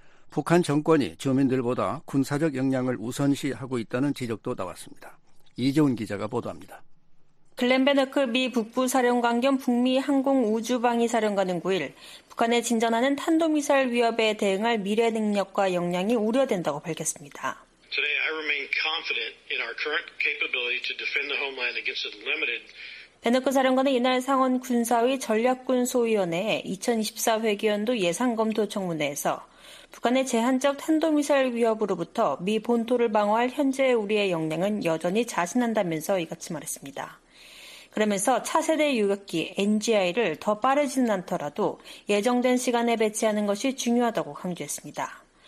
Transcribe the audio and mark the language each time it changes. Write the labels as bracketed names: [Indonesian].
[Korean] 북한 정권이 주민들보다 군사적 역량을 우선시하고 있다는 지적도 나왔습니다. 이재훈 기자가 보도합니다. 글렌 베너클 미 북부 사령관 겸 북미 항공우주방위 사령관은 9일 북한의 진전하는 탄도미사일 위협에 대응할 미래 능력과 역량이 우려된다고 밝혔습니다. [English] Today I remain confident in our current capability to defend the homeland against a limited [Korean] 베너클 사령관은 이날 상원 군사위 전략군 소위원회의 2024 회기연도 예산 검토 청문회에서 북한의 제한적 탄도미사일 위협으로부터 미 본토를 방어할 현재의 우리의 역량은 여전히 자신한다면서 이같이 말했습니다. 그러면서 차세대 유격기 NGI를 더 빠르지는 않더라도 예정된 시간에 배치하는 것이 중요하다고 강조했습니다.